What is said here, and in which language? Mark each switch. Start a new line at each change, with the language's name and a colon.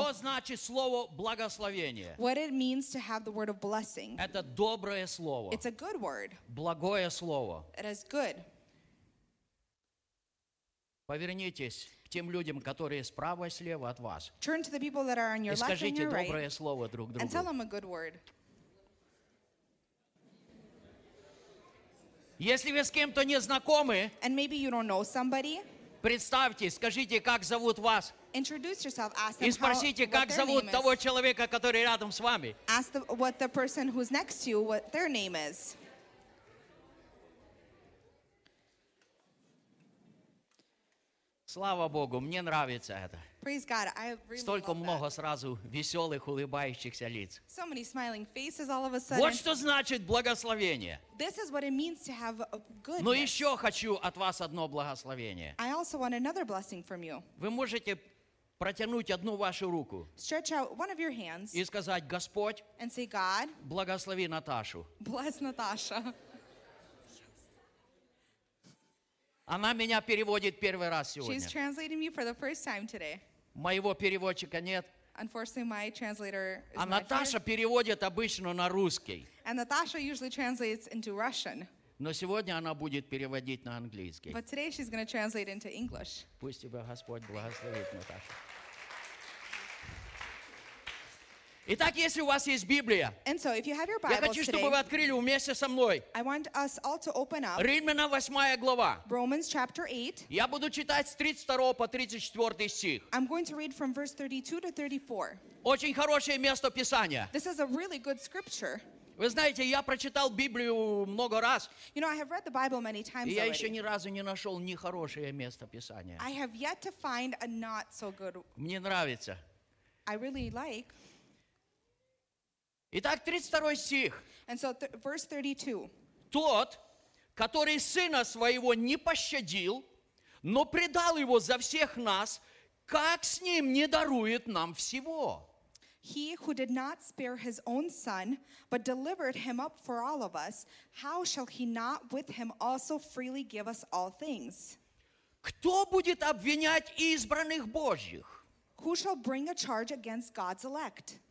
Russian: что значит слово благословение.
English: What it means to have the word of blessing.
Russian: Это доброе слово.
English: It's a good word.
Russian: Благое слово.
English: It is good.
Russian: Повернитесь к тем людям, которые справа и слева от вас.
English: Turn to the people that are on your left and your right.
Russian: И скажите доброе слово друг другу.
English: And tell them a good word.
Russian: Если вы с кем-то не знакомы,
English: and maybe you don't know somebody,
Russian: представьте, скажите, как зовут вас. И спросите, как зовут того человека, который рядом с вами.
English: Ask the, what the person who's next to you, what their name is.
Russian: Слава Богу, мне нравится это.
English: Praise God, I really
Russian: Столько
English: love
Russian: много
English: that.
Russian: Сразу веселых, улыбающихся лиц.
English: So many smiling faces all of a sudden.
Russian: Вот что значит благословение.
English: This is what it means to have goodness.
Russian: Но еще хочу от вас одно благословение.
English: I also want another blessing from you.
Russian: Вы можете протянуть одну вашу руку.
English: Stretch out one of your hands.
Russian: И сказать, Господь,
English: and say, God,
Russian: благослови Наташу.
English: Bless Natasha.
Russian: Она меня переводит первый раз сегодня.
English: She's translating me for the first time today.
Russian: Моего переводчика нет.
English: Unfortunately, my translator is not here.
Russian: А Наташа переводит обычно на русский.
English: And Natasha usually translates into Russian.
Russian: Но сегодня она будет переводить на английский.
English: But today she's going to translate into English.
Russian: Пусть тебя Господь благословит, Наташа. Итак, если у вас есть Библия,
English: and so, if you have your Bibles
Russian: я хочу, чтобы
English: today,
Russian: вы открыли вместе со мной
English: I want us all to open up
Russian: Римлянам 8 глава.
English: Romans chapter 8.
Russian: Я буду читать с 32 по 34 стих.
English: I'm going to read from verse 32 to 34.
Russian: Очень хорошее место Писания.
English: This is a really good scripture.
Russian: Вы знаете, я прочитал Библию много раз.
English: You know, I have read the Bible many times
Russian: и Я еще ни разу не нашел нехорошее место Писания.
English: I have yet to find a not so good...
Russian: Мне нравится.
English: I really like...
Russian: Итак, 32 стих.
English: And so, verse 32.
Russian: Тот, который сына своего не пощадил, но предал его за всех нас, как с ним не дарует нам всего?
English: He who did not spare his own son, but delivered him up for all of us, how shall he not with him also freely give us all things?
Russian: Кто будет обвинять избранных Божьих?
English: Who shall bring a charge against God's elect?